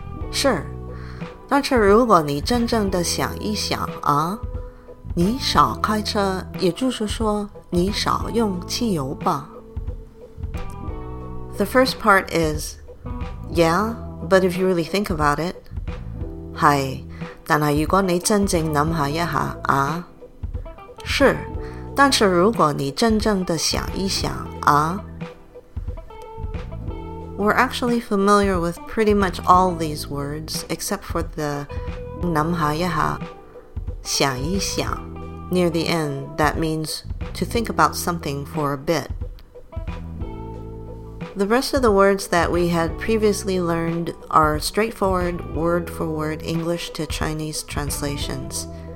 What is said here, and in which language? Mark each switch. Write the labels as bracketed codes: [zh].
[zh] 是，但是如果你真正的想一想啊，你少开车，也就是说你少用汽油吧。 [en] The first part is, yeah, but if you really think about it, [zh] 是，但是如果你真正想下一下啊，是，但是如果你真正的想一想啊。 [en] We're actually familiar with pretty much all these words, except for the [zh] 想下一下，想一想 [en] near the end, that means to think about something for a bit. The rest of the words that we had previously learned are straightforward word-for-word English to Chinese translations.